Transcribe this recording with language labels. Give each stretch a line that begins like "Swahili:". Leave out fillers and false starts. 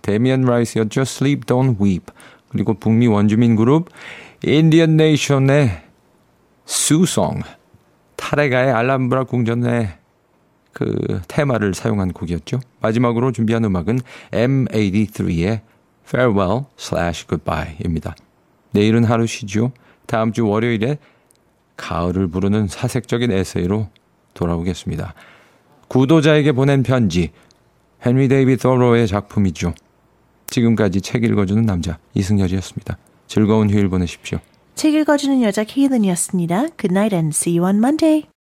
Korean: 데미안 라이스였죠. Sleep, Don't Weep. 그리고 북미 원주민 그룹 인디언 네이션의 수송. 타레가의 알람브라 궁전의 그 테마를 사용한 곡이었죠. 마지막으로 준비한 음악은 M83의
English: farewell slash goodbye입니다.
Korean: 내일은 하루 쉬죠. 다음 주 월요일에 가을을 부르는 사색적인 에세이로 돌아오겠습니다. 구도자에게 보낸 편지, 헨리 데이비 토로의 작품이죠. 지금까지 책 읽어주는 남자 이승열이었습니다. 즐거운 휴일 보내십시오. 책 읽어주는 여자 케이든이었습니다.
English: Good night and see you on Monday.